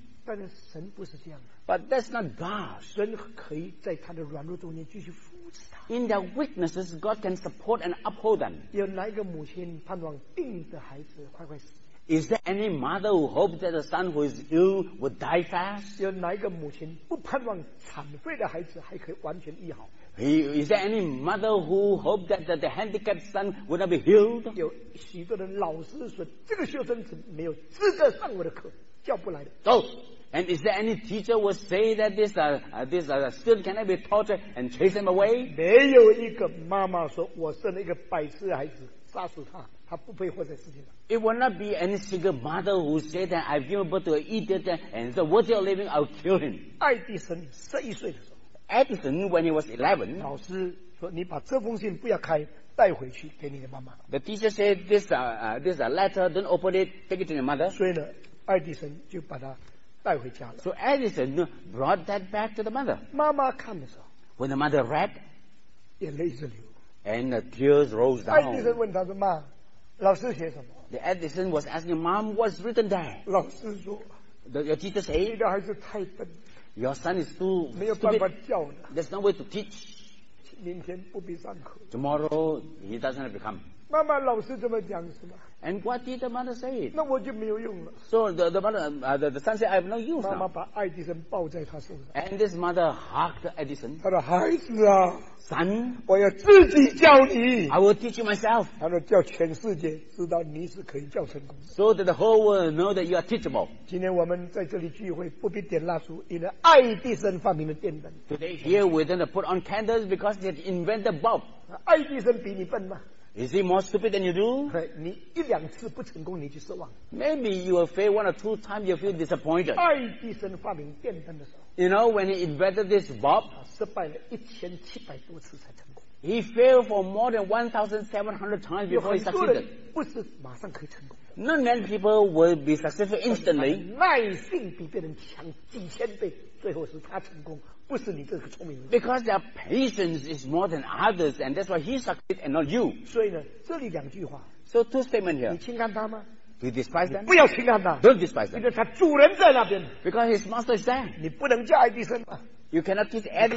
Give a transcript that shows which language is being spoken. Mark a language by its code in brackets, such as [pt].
[zh] 但是神不是这样的 [en] But that's not God. [zh] 神可以在他的软弱中间继续扶持他 [en] In their weaknesses, God can support and uphold them. [zh] 有哪一个母亲盼望病的孩子快快死 [en] Is there any mother who hopes that a son who is ill would die fast? [zh] 有哪一个母亲不盼望残废的孩子还可以完全医好 [en] Is there any mother who hopes that the handicapped son would not be healed? [zh] 有许多的老师说这个学生是没有资格上我的课叫不来的 [en] So, and is there any teacher who say that this, student cannot be tortured and chase him away? [zh] 没有一个妈妈说我生了一个白痴孩子杀死他他不配活在世界上 [en] It will not be any single mother who say that I've given birth to an idiot and so worthy of living, I'll kill him. [zh] 爱迪生11岁的时候 [en] Edison, when he was 11, [zh] 老师说你把这封信不要开带回去给你的妈妈 [en] The teacher said this, this letter, don't open it, take it to your mother. [zh] 所以呢爱迪生就把他带回家了。 [en] So Edison brought that back to the mother. [zh] 妈妈看的时候 [en] ，When the mother read, [zh] 眼泪直流 [en] ，and the tears rose down. [zh] 爱迪生问他说：“妈，老师写什么 [en] ？”The Edison was asking, "Mom, what's written there?" [zh] 老师说 [en] ，Your teacher say, [zh] 你的孩子太笨 [en] ，Your son is too stupid. [zh] 没有办法教的。 [en] There's no way to teach. [zh] 明天不必上课。 [en] Tomorrow he doesn't have to come. [zh] 妈妈老师这么讲是吧 [en] And what did the mother say? [zh] 那我就没有用了 [en] So the son said I have no use [zh] 妈妈把爱迪生抱在她手上 [en] And this mother hugged Edison [zh] 她说孩子啊 [en] Son [zh] 我要自己教你 [en] I will teach you myself [zh] 她说叫全世界知道你是可以教成功的 [en] So that the whole world know that you are teachable [zh] 今天我们在这里聚会不必点蜡烛因为爱迪生发明了电灯 [en] Today here we're going to put on candles because they invented bulb [zh] 爱迪生比你笨吗 [en] Is he more stupid than you do? [zh] 你一两次不成功，你就失望。 [en] Maybe you will fail one or two times, you feel disappointed. [zh] 爱迪生发明电灯的时候 [en] ，You know when he invented this bulb, [zh] 失败了1700多次才成功。 [en] He failed for more than 1,700 times before he succeeded. [zh] 不是马上可以成功。 [en] Not many people will be successful instantly. [zh] 耐性比别人强几千倍，最后是他成功。不是你这个聪明人 [en] Because their patience is more than others, and that's why he succeeded and not you. [zh] 所以呢，这里两句话。 [en] So two statements here. [zh] 你轻看他吗 [en] ？Do you despise them? [zh] 不要轻看他。 [en] Don't despise them. [zh] 因为他主人在那边。 [en] Because his master is there. [zh] 你不能叫爱迪生。 [en] You cannot teach Edison.